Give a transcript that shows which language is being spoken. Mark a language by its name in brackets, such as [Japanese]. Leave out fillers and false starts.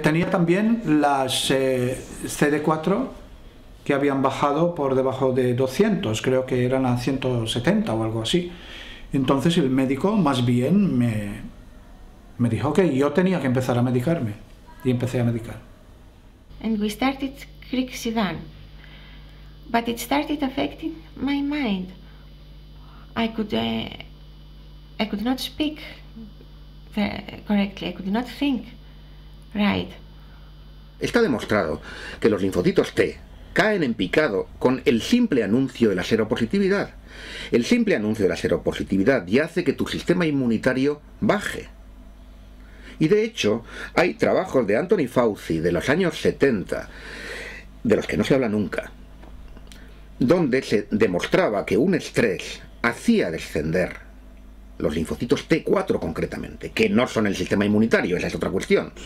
[Spanish] Tenía también las CD4 que habían bajado por debajo de 200, creo que eran a 170 o algo así. Entonces el médico más bien me dijo que yo tenía que empezar a medicarme y empecé a medicar. [English] And we started Crixivan, but it started affecting my mind. I could not speak correctly. I could not think right. [Spanish] Está demostrado que los linfocitos T caen en picado con el simple anuncio de la seropositividad. El simple anuncio de la seropositividad ya hace que tu sistema inmunitario baje. Y de hecho, hay trabajos de Anthony Fauci de los años 70, de los que no se habla nunca, donde se demostraba que un estrés hacía descender los linfocitos T4 concretamente, que no son el sistema inmunitario, esa es otra cuestión.